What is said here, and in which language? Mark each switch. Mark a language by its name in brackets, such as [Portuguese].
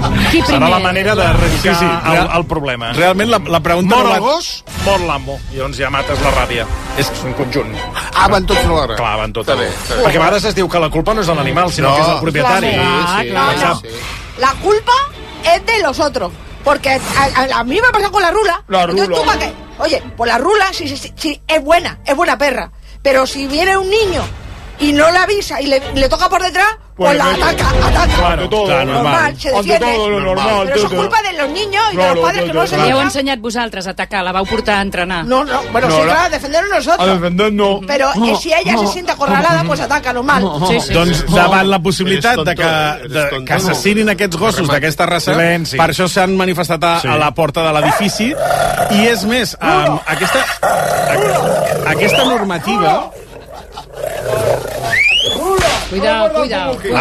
[Catalan] Qui primer? Serà la manera de reivindicar el problema. Realment, la pregunta... Mor el gos? Mor l'amo. I llavors ja mates la ràbia. És un conjunt. Ah, van tots a l'hora. Clar, van tots a l'hora. Perquè a vegades es diu que la culpa no és de l'animal, sinó que és del propietari. [Spanish] La culpa és de los otros. Porque a mí me ha pasado con la rula. La rula. Entonces, ¿tú pa qué? Oye, pues la rula sí, es buena perra. Pero si viene un niño y no la avisa y le toca por detrás, pues la ataca. Claro, todo normal, normal, se defiende. Normal, pero eso es culpa de los niños y de los padres que no se defienden. [Catalan] Heu ensenyat vosaltres a atacar, la vau portar a entrenar. No, a defender-ho nosotros. A defender-ho. [Spanish] Pero si ella se siente acorralada, pues ataca, normal. Sí. [Catalan] Doncs davant la possibilitat de que assassinin aquests gossos d'aquesta raça, per això s'han manifestat a la porta de l'edifici. I és més, aquesta normativa... [Spanish] Cuidao.